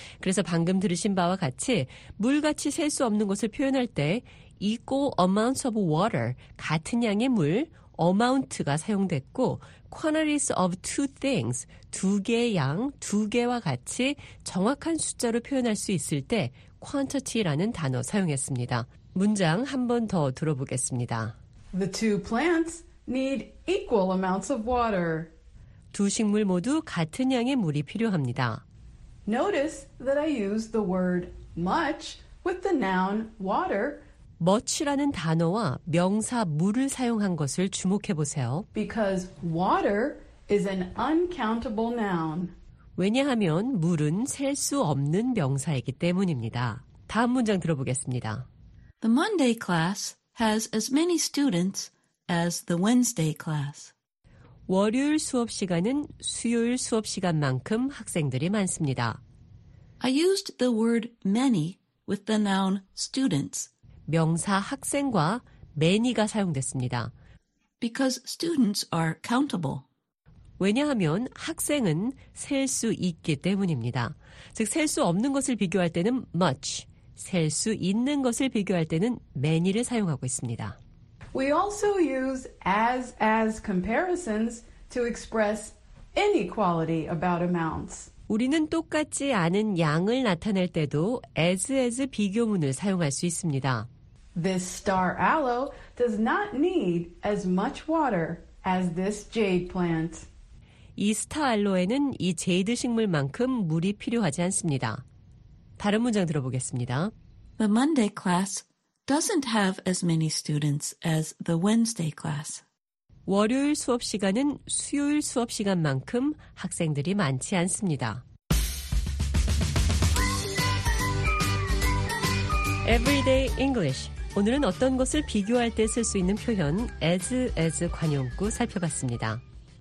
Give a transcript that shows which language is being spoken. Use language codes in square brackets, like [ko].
[ko] 그래서 방금 들으신 바와 같이 물같이 셀 수 없는 것을 표현할 때 [en] equal amounts of water [ko] 같은 양의 물 amount가 사용됐고 [en] quantities of two things [ko] 두 개의 양, 두 개와 같이 정확한 숫자로 표현할 수 있을 때 quantity라는 단어 사용했습니다. 문장 한 번 더 들어보겠습니다. [en] The two plants need equal amounts of water. [ko] 두 식물 모두 같은 양의 물이 필요합니다. [en] Notice that I use the word much with the noun water. [ko] much라는 단어와 명사 물을 사용한 것을 주목해 보세요. [en] Because water is an uncountable noun. [ko] 왜냐하면 물은 셀 수 없는 명사이기 때문입니다. 다음 문장 들어보겠습니다. [en] The Monday class has as many students as the Wednesday class. [ko] 월요일 수업 시간은 수요일 수업 시간만큼 학생들이 많습니다. [en] I used the word many with the noun students. [ko] 명사 학생과 many가 사용됐습니다. [en] Because students are countable. [ko] 왜냐하면 학생은 셀 수 있기 때문입니다. 즉, 셀 수 없는 것을 비교할 때는 much, 셀 수 있는 것을 비교할 때는 many를 사용하고 있습니다. [en] We also use as-as comparisons to express inequality about amounts. [ko] 우리는 똑같지 않은 양을 나타낼 때도 as-as 비교문을 사용할 수 있습니다. [en] This star aloe does not need as much water as this jade plant. [ko] 이 스타 알로에는 이 제이드 식물만큼 물이 필요하지 않습니다. 다른 문장 들어보겠습니다. [en] The Monday class doesn't have as many students as the Wednesday class. [ko] 월요일 수업 시간은 수요일 수업 시간만큼 학생들이 많지 않습니다. [en] Everyday English. [ko] 오늘은 어떤 것을 비교할 때 쓸 수 있는 표현 as 관용구 살펴봤습니다.